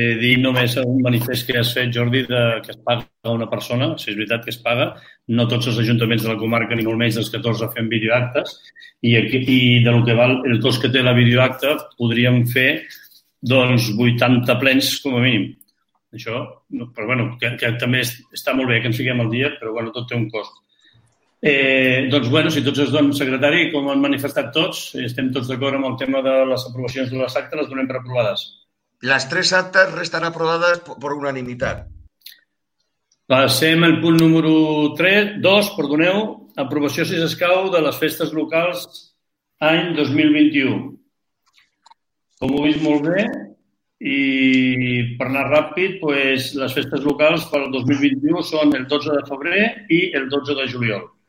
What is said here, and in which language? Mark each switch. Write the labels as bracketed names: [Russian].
[Catalan] Dic només un manifest que has fet, Jordi, de que es paga una persona, si és veritat que es paga, no tots els ajuntaments de la comarca, ni molt menys dels 14, fem videoactes, i del que val el cost que té la videoacta, podríem fer, doncs, 80 plens, com a mínim. Això, però bueno, que també està molt bé que ens fiquem al dia, però bueno, tot té un cost. Doncs, bueno, si tots es donen secretari, com han manifestat tots, estem tots d'acord amb el tema de les aprovacions de les actes, les donem per aprovades. [Spanish] Las tres actas restan aprobadas por unanimidad. [Catalan] Passem al punt número 3, 2, perdoneu, aprovació, si escau, de les festes locals any 2021. Com ho heu vist molt bé, i per anar ràpid, doncs, les festes locals per al 2021 són el 12 de febrer i el 12 de juliol.